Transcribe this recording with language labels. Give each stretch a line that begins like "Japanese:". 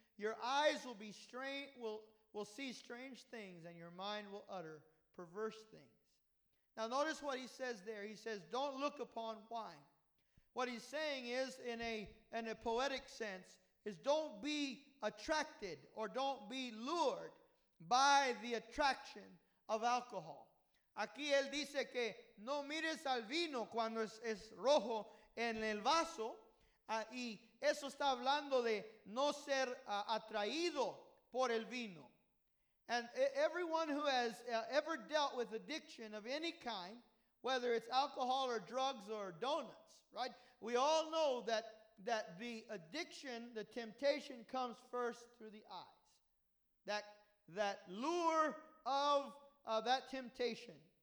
English: "Your eyes will see strange things, and your mind will utter perverse things." Now notice what he says there. He says, don't look upon wine. What he's saying is, in a poetic sense, is don't be attracted or don't be lured by the attraction of alcohol.
Spanish: Aquí él dice que no mires al vino cuando es rojo en el vaso. Y eso está hablando de no ser atraído por el vino.
English: And everyone who has ever dealt with addiction of any kind, whether it's alcohol or drugs or donuts, right? We all know that the addiction, the temptation, comes first through the eyes. That lure of that temptation.